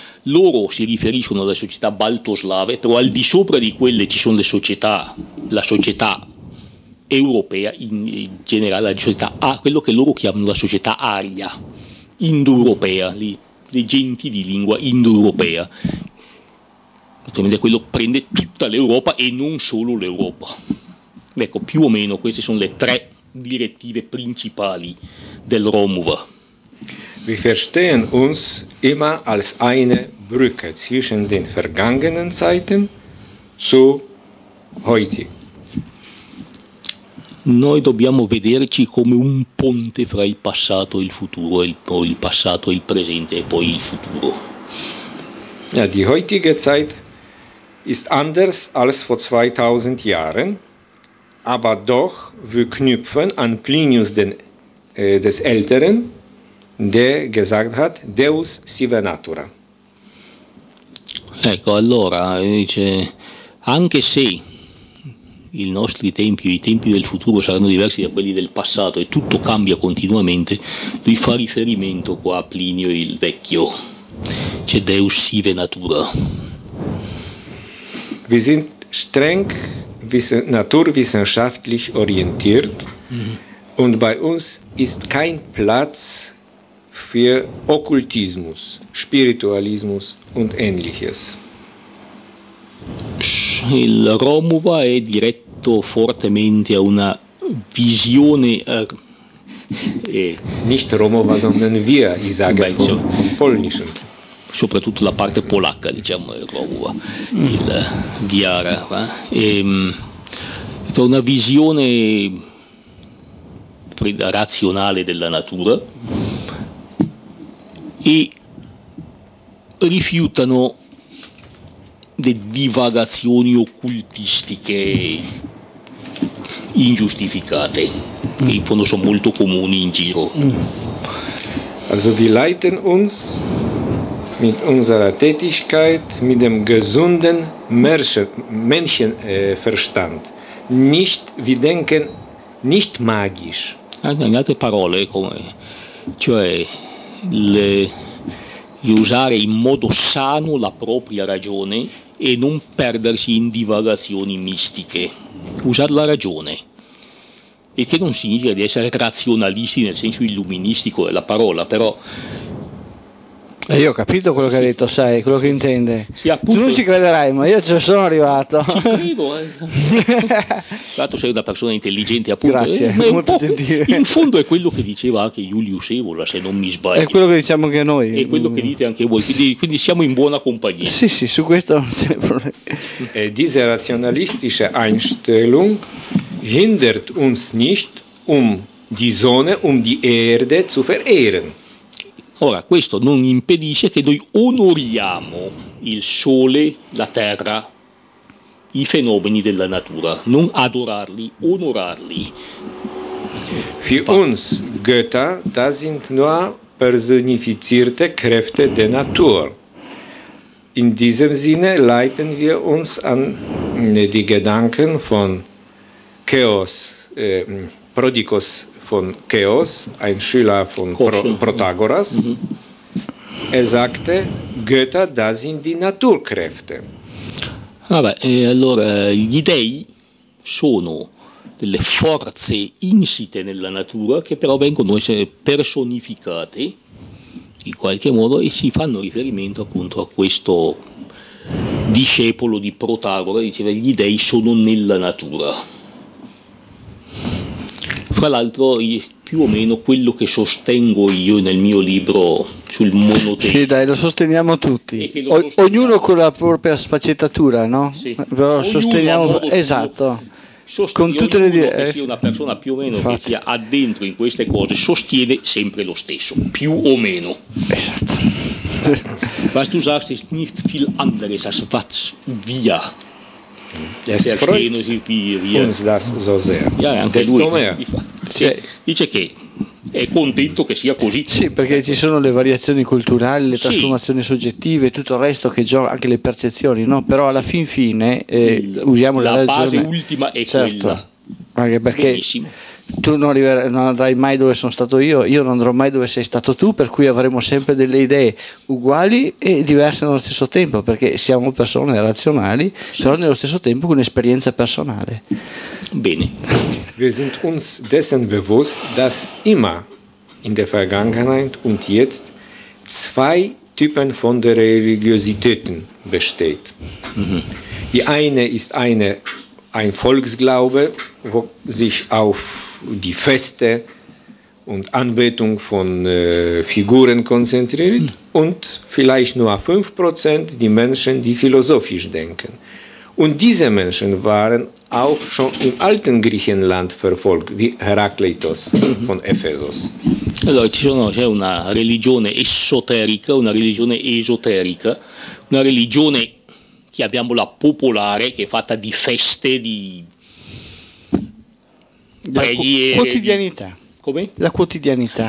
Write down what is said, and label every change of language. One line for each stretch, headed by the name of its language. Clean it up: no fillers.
Italian: Loro si riferiscono alle società baltoslave, però al di sopra di quelle ci sono le società, la società europea in generale, la società a quello che loro chiamano la società aria, indoeuropea, le genti di lingua indoeuropea. Naturalmente quello prende tutta l'Europa e non solo l'Europa. Ecco, più o meno queste sono le tre direttive principali del Romuva.
German: Wir verstehen uns immer als eine Brücke zwischen den vergangenen Zeiten zu heute.
Italian: Noi dobbiamo vederci come un ponte fra il passato e il futuro, il passato e il presente e poi il futuro.
German: Ja, die heutige Zeit ist anders als vor 2000 Jahren, aber doch wir knüpfen an Plinius des Älteren, der gesagt hat,
Latin: Deus sive natura.
Italian: Ecco, allora, dice, anche se i nostri tempi, i tempi del futuro saranno diversi da quelli del passato e tutto cambia continuamente, lui fa riferimento qua a Plinio il Vecchio. C'è
Latin: Deus sive natura.
German: Wir sind streng naturwissenschaftlich orientiert und bei uns ist kein Platz für Okkultismus, Spiritualismus und ähnliches.
Italian: Il Romuva è diretto fortemente a una visione
German: nicht Romuva, sondern wir, ich sage vom polnischen.
Italian: Soprattutto la parte polacca, diciamo, del Romuva, il Viara, è una visione razionale della natura e rifiutano le divagazioni occultistiche ingiustificate, che in fondo sono molto comuni in giro.
German: Also wir leiten uns mit unserer Tätigkeit mit dem gesunden Menschenverstand. Nicht, wir denken nicht magisch.
Italian: In altre parole, come, cioè usare in modo sano la propria ragione e non perdersi in divagazioni mistiche. Usare la ragione. E che non significa di essere razionalisti nel senso illuministico della parola, però. Io ho capito quello che ha detto, sai, quello che intende. Sì, appunto, tu non ci crederai, ma io ci sono arrivato. Ci credo. Tu sei una persona intelligente, appunto. Grazie, molto gentile. In fondo è quello che diceva anche Julius Evola, se non mi sbaglio. È quello che diciamo anche noi. È quello che dite anche voi, quindi siamo in buona compagnia. Sì, sì, su questo non c'è problema.
German: E diese razionalistische Einstellung hindert uns nicht, die Sonne, die Erde zu verehren.
Italian: Ora, questo non impedisce che noi onoriamo il sole, la terra, i fenomeni della natura. Non adorarli, onorarli.
German: Für uns Götter, da sind nur personifizierte Kräfte der Natur. In diesem Sinne leiten wir uns an die Gedanken von Chaos, Prodikos. Von Chaos, ein Schüler von Protagoras, sagte, Götter, das sind die Naturkräfte.
Italian: Vabbè, allora, gli dei sono delle forze insite nella natura che però vengono essere personificate in qualche modo e si fanno riferimento appunto a questo discepolo di Protagora, diceva, gli dei sono nella natura. Fra l'altro più o meno quello che sostengo io nel mio libro sul monoteismo. Sì, dai, lo sosteniamo tutti. Ognuno con la propria sfaccettatura, no? Sì. Però sosteniamo, esatto. Con tutte le dire, che sia una persona più o meno infatti, che sia addentro in queste cose sostiene sempre lo stesso, più o meno. Esatto.
German: Was du sagst ist nicht viel anderes als was wir. Es freut uns das so sehr.
Italian: Ja, anche lui dice che è contento che sia così. Sì, perché ci sono le variazioni culturali, le trasformazioni soggettive, tutto il resto che gioca, anche le percezioni, no? Però alla fin fine usiamo la ragione. La base ultima è certo, quella. Anche perché benissimo. Tu non andrai mai dove sono stato io non andrò mai dove sei stato tu, per cui avremo sempre delle idee uguali e diverse nello stesso tempo, perché siamo persone razionali, però nello stesso tempo con esperienza personale. Bene.
German: Wir sind uns dessen bewusst, dass immer in der Vergangenheit und jetzt zwei Typen von der Religiositäten besteht. Die eine ist ein Volksglaube, wo sich auf die Feste und Anbetung von Figuren konzentriert und vielleicht nur 5% die Menschen, die philosophisch denken. Und diese Menschen waren auch schon im alten Griechenland verfolgt, wie Herakleitos von Ephesus.
Italian: Allora, c'è una religione esoterica, una religione esoterica, una religione, chiamiamola popolare, che è fatta di feste, di preghiere. Quotidianità. Come? La quotidianità.